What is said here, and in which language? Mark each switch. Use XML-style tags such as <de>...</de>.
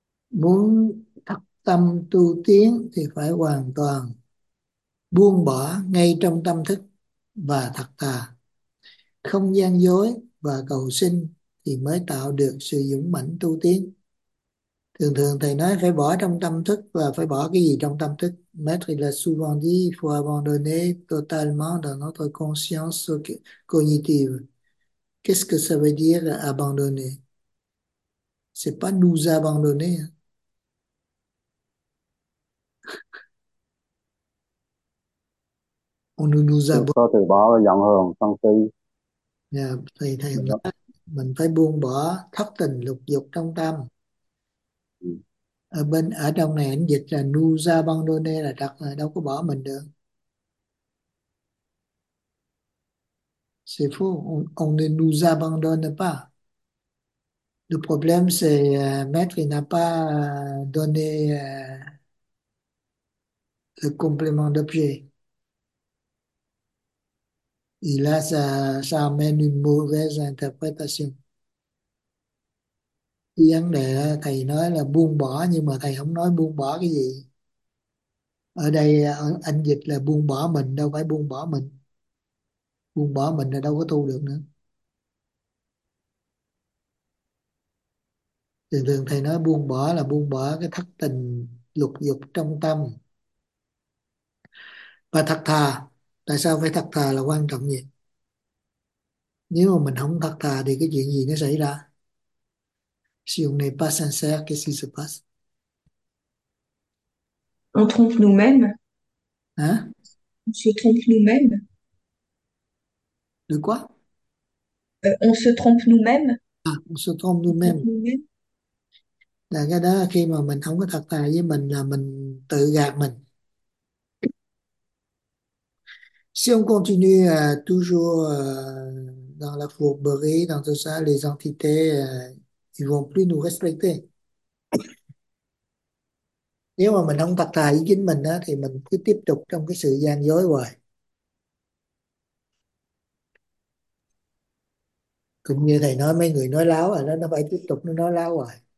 <vi>Muốn thật tâm tu tiến thì phải hoàn toàn buông bỏ ngay trong tâm thức và thật thà. Không gian dối và cầu sinh thì mới tạo được sự dũng mãnh tu tiến. Thường thường thầy nói phải bỏ trong tâm thức, và phải bỏ cái gì trong tâm thức?</vi> <fr>Maître il a souvent dit, il faut abandonner totalement dans notre conscience cognitive. Qu'est-ce que ça veut dire abandonner? C'est pas nous abandonner. On ne nous</fr> <vi>Thì a có từ bỏ là giọng hờn sân yeah, thì thầy</vi> <fr>si</fr> <vi>nói mình phải buông bỏ thất tình lục dục trong tâm. Ở trong này anh dịch là nu ra băng đô nê, là đặt là đâu có bỏ mình được.</vi> <fr>C'est faux, on ne nous abandonne pas. Le problème c'est maître il n'a pas donné le complément d'objet. Et là, ça amène une mauvaise interprétation.</fr> <vi>Vấn đề thầy nói là buông bỏ, nhưng mà thầy không nói buông bỏ cái gì. Ở đây anh dịch là buông bỏ mình, đâu phải buông bỏ mình. Buông bỏ mình là đâu có tu được nữa. Thường thường thầy nói buông bỏ là buông bỏ cái thất tình lục dục trong tâm. Và thật thà. Tại sao phải thật thà là quan trọng vậy? Nếu mà mình không thật thà thì cái chuyện gì nó xảy ra?</vi> <fr>Si on n'est pas sincère, qu'est-ce qui se passe? On trompe nous-mêmes. Hein? On se trompe nous-mêmes. De quoi? On se trompe nous-mêmes. À, on se trompe nous-mêmes. nous-mêmes.</fr> <vi>Là cái đó khi mà mình không có thật thà với mình là mình tự gạt mình.</vi> <fr>Si on continue toujours dans la fourberie, dans tout ça, les entités, ils vont plus nous respecter.</fr> <vi>Nếu mà mình không thật thà với chính mình đó, thì mình cứ tiếp tục trong cái sự gian dối hoài. Cũng như thầy nói mấy người nói láo rồi đó, nó phải tiếp tục nó nói láo rồi.</vi>